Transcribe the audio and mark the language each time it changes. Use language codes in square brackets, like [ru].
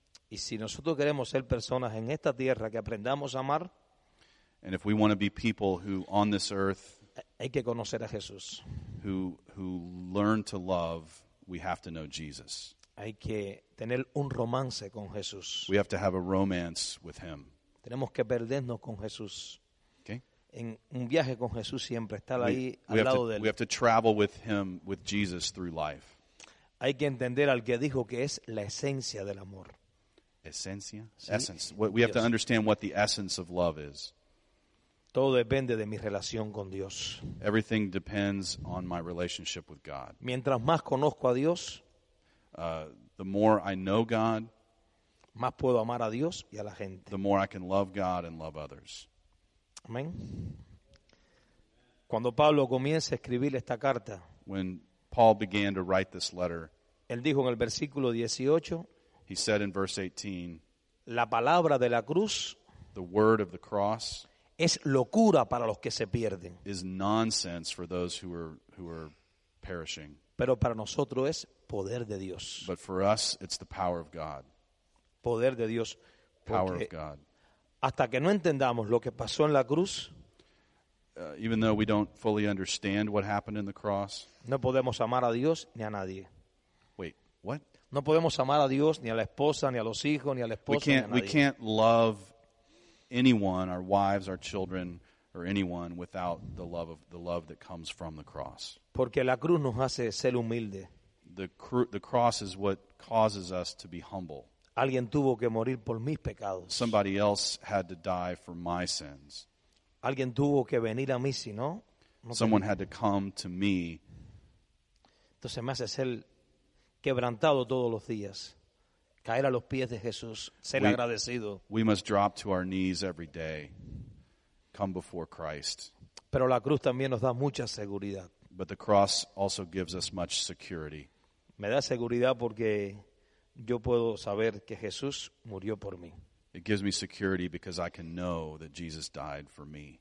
[es] Y si nosotros queremos ser personas en esta tierra que aprendamos a amar, [en] and if we want to be people who on this earth [es] hay que conocer a Jesús. [en] Who learn to love, we have to know Jesus. [es] Hay que tener un romance con Jesús. [en] We have to have a romance with him. [es] Tenemos que perdernos con Jesús. [en] Okay. [es] En un viaje con Jesús siempre estar ahí al lado de él. [en] We have to travel with him, with Jesus through life. [es] Hay que entender al que dijo que es la esencia del amor. Esencia? Sí. Essence. [en] We have to understand what the essence of love is. [es] Todo depende de mi relación con Dios. [en] Everything depends on my relationship with God. [es] Mientras más conozco a Dios, [en] the more I know God, [es] más puedo amar a Dios y a la gente. [en] The more I can love God and love others. [es] Amén. Cuando Pablo comienza a escribir esta carta, [en] when Paul began to write this letter, [es] él dijo en el versículo 18, [en] he said in verse 18, [es] la palabra de la cruz, [en] the word of the cross, [es] es locura para los que se pierden. [en] Is nonsense for those who are perishing. [es] Pero para nosotros es poder de Dios. [en] But for us, it's the power of God. [es] Poder de Dios. [en] Power of God. [es] Hasta que no entendamos lo que pasó en la cruz, [en] even though we don't fully understand what happened in the cross, [es] no podemos amar a Dios ni a nadie. [en] Wait, what? [es] No podemos amar a Dios ni a la esposa ni a los hijos ni a la esposa ni a nadie. [en] We can't love anyone, our wives, our children, or anyone without the love that comes from the cross. [es] Porque la cruz nos hace ser humilde. [en] The cross is what causes us to be humble. [es] Alguien tuvo que morir por mis pecados. [en] Somebody else had to die for my sins. [es] Alguien tuvo que venir a mí, si no. [en] Someone had to come to me. [es] Entonces me hace ser quebrantado todos los días. Caer a los pies de Jesús, ser agradecido. [en] We must drop to our knees every day, come before Christ. [es] Pero la cruz también nos da mucha seguridad. [en] But the cross also gives us much security. [es] Me da seguridad porque yo puedo saber que Jesús murió por mí. [en] It gives me security because I can know that Jesus died for me.